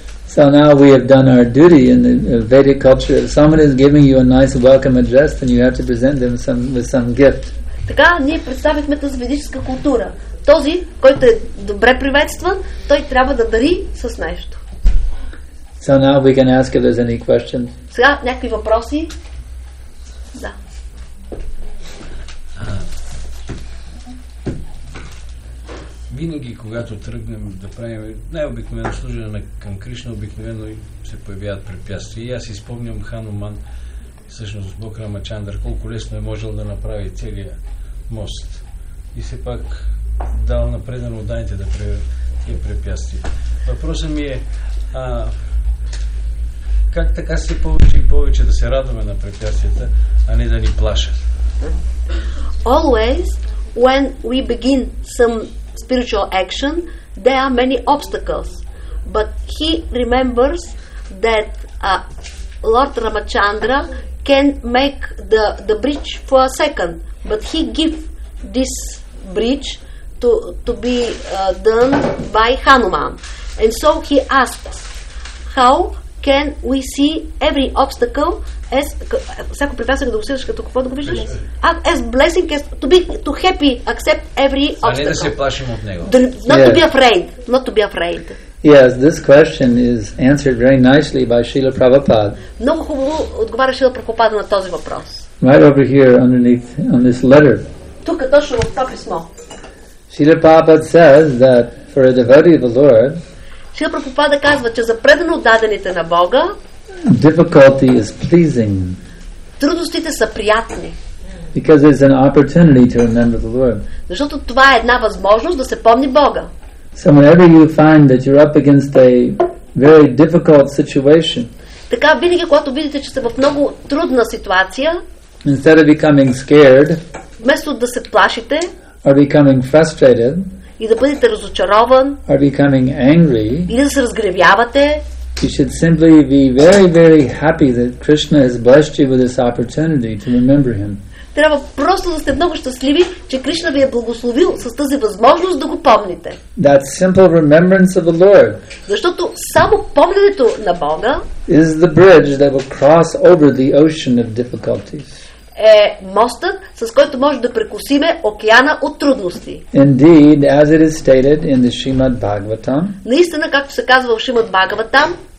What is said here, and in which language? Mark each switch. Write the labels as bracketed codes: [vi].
[en] So now we have done our duty in the Vedic culture. If someone is giving you a nice welcome address, then you have to present them with some gift. [bg] Така, ние представихме тази ведическа култура. Този, който е добре приветстван, той трябва да дари с нещо. [en] So now we can ask if there's any questions. [bg] Сега, някакви въпроси? Да. Винаги, когато тръгнем да правим най-обикновено служене на към Кришна, обикновено се появяват препятствия. И аз изпомням Хануман, всъщност Бог Рамачандър, колко лесно е можел да направи целия мост. И все пак дал напредено данните да правят тия препятствия. Въпросът ми е, как така се повече и повече да се радваме на препятствията, а не да ни плашат? [en] Always, when we begin some spiritual action, there are many obstacles. But he remembers that Lord Ramachandra can make the bridge for a second. But he give this bridge to be done by Hanuman. And so he asks, how can we see every obstacle as [bg] всяко препятствие да го усетиш като какво да го виждаш? [en] As blessing, as to be too happy, accept every obstacle. [bg] А не да се плашим от него. [en] Not to be afraid. Yes, this question is answered very nicely by Srila Prabhupada. [bg] Много хубаво отговаря Шрила Прабхупада на този въпрос. [en] Right over here underneath on this letter. [bg] Тук е точно в това писмо. [en] Srila Prabhupada says that for a devotee of the Lord, [bg] Шрила Прабхупада казва, че за предано отдадените на Бога [en] difficulty is pleasing. [bg] Трудностите са приятни. [en] Because it's an opportunity to remember the Lord. [bg] Защото това е една възможност да се помни Бога. [en] So whenever you find that you're up against a very difficult situation, [bg] Така винаги когато видите, че сте в много трудна ситуация, [en] instead of becoming scared, [bg] вместо да се плашите, [en] or becoming frustrated, [bg] и да бъдете разочарован, [en] or becoming angry, [bg] и да се разгревявате, [en] you should simply be very, very happy that Krishna has blessed you with this opportunity to remember him. [bg] Трябва просто да сте много щастливи, че Кришна ви е благословил с тази възможност да го помните. [en] That simple remembrance of the Lord. [bg] Защото само помненето на Бога [en] is the bridge that will cross over the ocean of difficulties. [bg] Е мостът, с който може да прекусиме океана от трудности. [en] Indeed, as it is stated in the Shrimad Bhagavatam. [bg] Наистина, както се казва в Шримад Бхагаватам,